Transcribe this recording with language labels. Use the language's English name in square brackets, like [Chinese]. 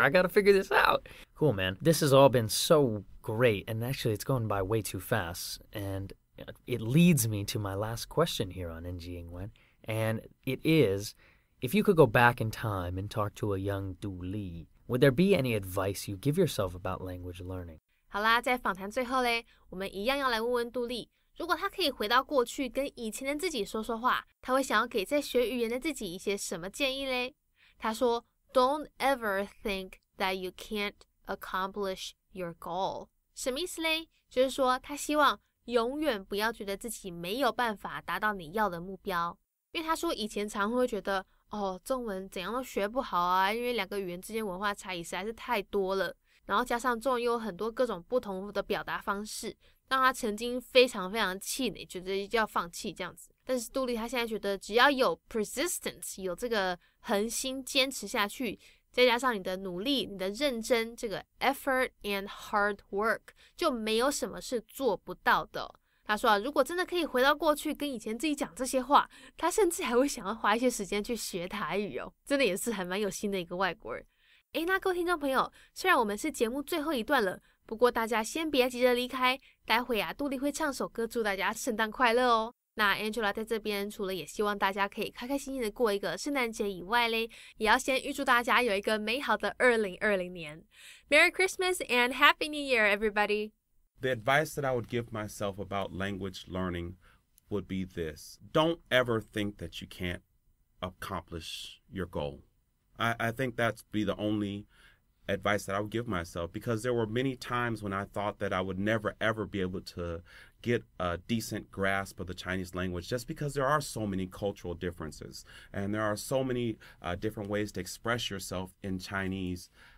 [English] I got to figure this out. Cool, man. This has all been so great, and actually it's going by way too fast. And it leads me to my last question here on NG Ingwen. And it is, if you could go back in time and talk to a young Dooley, would there be any advice you give yourself about language learning? [Chinese] 好啦，在访谈最后咧，我们一样要来问问杜力，如果他可以回到过去跟以前的自己说说话，他会想要给在学语言的自己一些什么建议咧？他说 [English] ，Don't ever think that you can't accomplish your goal。 [Chinese] 什么意思咧？就是说他希望永远不要觉得自己没有办法达到你要的目标，因为他说以前常会觉得，哦，中文怎样都学不好啊，因为两个语言之间文化差异实在是太多了，然后加上中文又有很多各种不同的表达方式，让他曾经非常非常气馁，觉得要放弃这样子。但是杜力他现在觉得只要有 persistence， 有这个恒心坚持下去，再加上你的努力，你的认真，这个 [English] effort and hard work， [Chinese] 就没有什么是做不到的。他说啊，如果真的可以回到过去跟以前自己讲这些话，他甚至还会想要花一些时间去学台语哦，真的也是还蛮有心的一个外国人。诶，那各位听众朋友，虽然我们是节目最后一段了，不过大家先别急着离开，待会啊，杜力会唱首歌祝大家圣诞快乐哦。那 Angela 在这边除了也希望大家可以开开心心的过一个圣诞节以外咧，也要先预祝大家有一个美好的2020年。 [English] Merry Christmas and Happy New Year, everybody! The advice that I would give myself about language learning would be this. Don't ever think that you can't accomplish your goal. I think that's be the only advice that I would give myself, because there were many times when I thought that I would never, ever be able to get a decent grasp of the Chinese language, just because there are so many cultural differences and there are so many different ways to express yourself in Chinese.